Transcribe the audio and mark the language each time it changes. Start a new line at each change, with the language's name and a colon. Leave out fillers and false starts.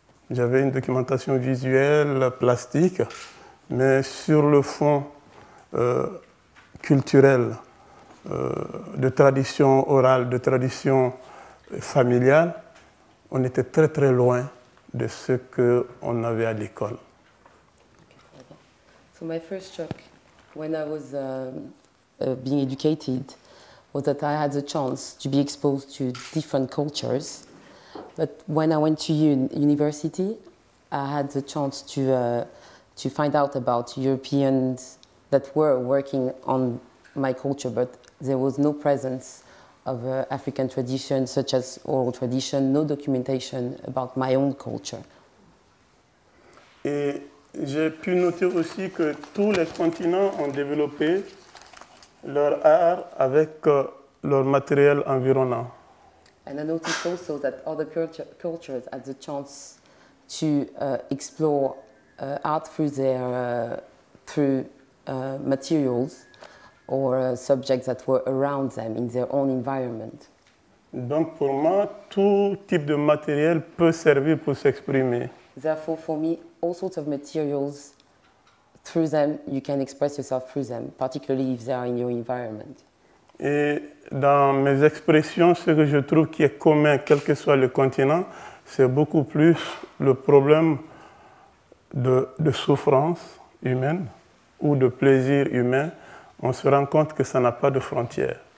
French: J'avais une documentation visuelle, plastique, mais sur le fond culturel, de tradition orale, de tradition familiale, on était très très loin de ce qu'on avait à l'école.
English: So my first shock when I was being educated was that I had the chance to be exposed to different cultures. But when I went to university, I had the chance to find out about Europeans that were working on my culture, but there was no presence of African tradition, such as oral tradition, no documentation about my own culture.
French: Et j'ai pu noter aussi que tous les continents ont développé leur art avec leur matériel environnant.
English: And I noticed also that other cultures had the chance to explore art through their materials or subjects that were around them in their own environment.
French: Donc pour moi, tout type de matériel peut servir pour s'exprimer.
English: Therefore, for me, all sorts of materials through them, you can express yourself through them, particularly if they are in your environment.
French: Et dans mes expressions, ce que je trouve qui est commun, quel que soit le continent, c'est beaucoup plus le problème de souffrance humaine ou de plaisir humain. On se rend compte que ça n'a pas de frontières.